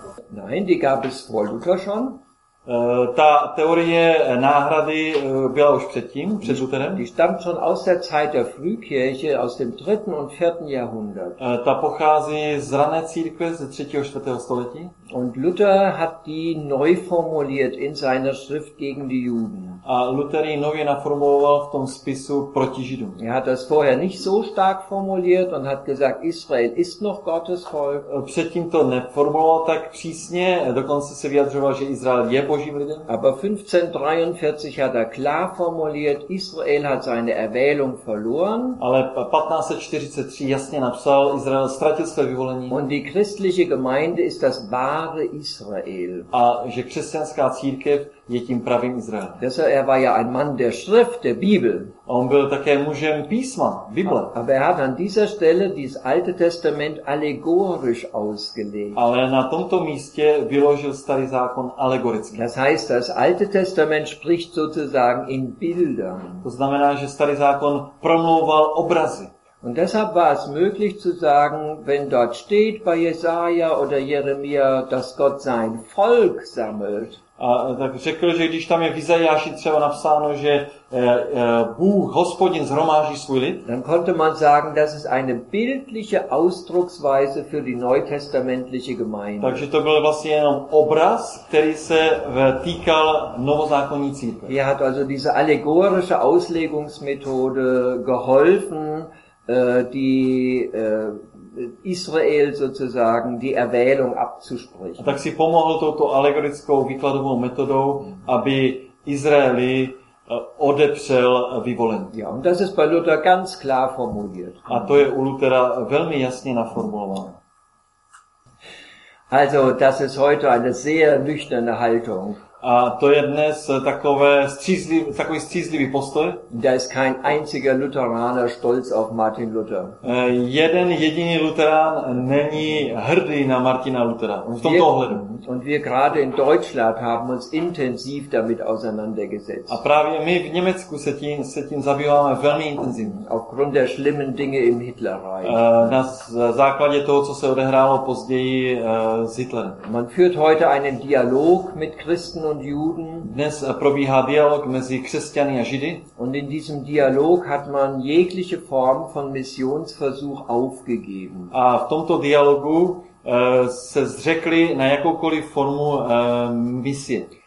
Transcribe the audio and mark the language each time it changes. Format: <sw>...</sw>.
<de>Nein, die gab es vor Luther schon.</de> <cs>Ta teorie náhrady byla už předtím, před Lutherem.</cs> <de>Die stammt schon aus der Zeit der Frühkirche, aus dem 3. und 4. Jahrhundert.</de> <cs>Ta pochází z rané církve, ze 3. a 4. století.</cs> <de>Und Luther hat die neu formuliert in seiner Schrift gegen die Juden.</de> <cs>A Luther ji nově naformuloval v tom spisu proti Židům.</cs> <de>Er hat das vorher nicht so stark formuliert und hat gesagt, Israel ist noch Gottes Volk.</de> <cs>Předtím to neformuloval tak přísně, dokonce se vyjadřoval, že Izrael je Božím lidem.</cs> <de>Aber 1543 hat er klar formuliert, Israel hat seine Erwählung verloren.</de> <cs>Ale 1543 jasně napsal, Izrael ztratil své vyvolení.</cs> <de>Und die christliche Gemeinde ist das wahre wahre Israel.</de> <cs>A že křesťanská církev je tím pravým Izraelem.</cs> <de>Deshalb er war ja ein Mann der Schrift, der Bibel.</de> <cs>On byl také mužem písma, Bible.</cs> <de>Aber er hat an dieser Stelle dieses Alte Testament allegorisch ausgelegt.</de> <cs>Ale na tomto místě vyložil starý zákon alegoricky.</cs> <de>Das heißt, das Alte Testament spricht sozusagen in Bildern.</de> <cs>To znamená, že starý zákon promlouval obrazy.</cs> <de>Und deshalb war es möglich zu sagen, wenn dort steht bei Jesaja oder Jeremia, dass Gott sein Volk sammelt.</de> <cs>A tak řekl, že když tam je v Izajáši třeba napsáno, že Bůh, Hospodin, zhromáží svůj lid,</cs> <de>dann konnte man sagen, das ist eine bildliche Ausdrucksweise für die neutestamentliche Gemeinde.</de> <cs>Takže to byl vlastně jenom obraz, který se týkal novozákonní církve.</cs> <de>Hier hat also diese allegorische Auslegungsmethode geholfen, die Israel sozusagen die Erwählung abzusprechen.</de> <cs>A tak si pomohl touto alegorickou výkladovou metodou, aby Izraeli odepřel vyvolení.</cs> <de>Ja, und das ist bei Luther ganz klar formuliert.</de> <cs>A to je u Luthera velmi jasně naformulováno.</cs> <de>Also, das ist heute eine sehr nüchterne Haltung.</de> <cs>A to je dnes takový střízlivý postoj.</cs> <de>Da ist kein einziger Lutheraner stolz auf Martin Luther.</de> <cs>Jeden jediný Lutherán není hrdý na Martina Luthera. V tomto ohledu.</cs> <de>Und wir gerade in Deutschland haben uns intensiv damit auseinandergesetzt.</de> <cs>A právě my v Německu se tím zabýváme velmi intenzivně.</cs> <de>Aufgrund der schlimmen Dinge im Hitlerreich.</de> <cs>Na základě toho, co se odehrálo později s Hitlerem.</cs> <de>Man führt heute einen Dialog mit Christen und Juden.</de> <cs>Dnes probíhá dialog mezi křesťany a židy.</cs> <de>Und in diesem Dialog hat man jegliche Form von Missionsversuch aufgegeben.</de> <cs>A v tomto dialogu se zřekli na jakoukoliv formu misie.</cs>